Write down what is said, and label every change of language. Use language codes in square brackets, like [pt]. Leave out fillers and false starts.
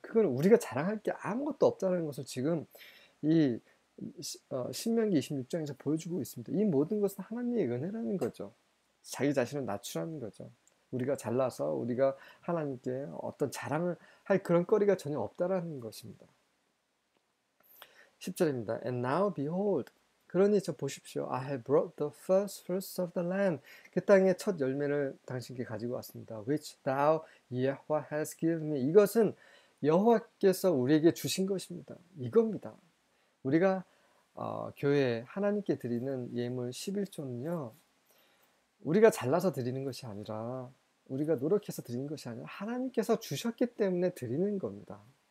[ko] 그걸 우리가 자랑할 게 아무것도 없다는 것을 지금 이 신명기 26장에서 보여주고 있습니다. 이 모든 것은 하나님의 은혜라는 거죠. 자기 자신을 낮추라는 거죠. 우리가 잘나서 우리가 하나님께 어떤 자랑을 할 그런 거리가 전혀 없다라는 것입니다. 10절입니다. [en] And now behold. [ko] 그러니 저 보십시오. [en] I have brought the first fruits of the land. [ko] 그 땅의 첫 열매를 당신께 가지고 왔습니다. [en] Which thou, Yahweh, has given me. [ko] 이것은 여호와께서 우리에게 주신 것입니다. 이겁니다. 우리가 교회에 하나님께 드리는 예물 11조는요. 우리가 잘나서 드리는 것이 아니라 우리가 노력해서 드리는 것이 아니라 하나님께서 주셨기 때문에 드리는 겁니다.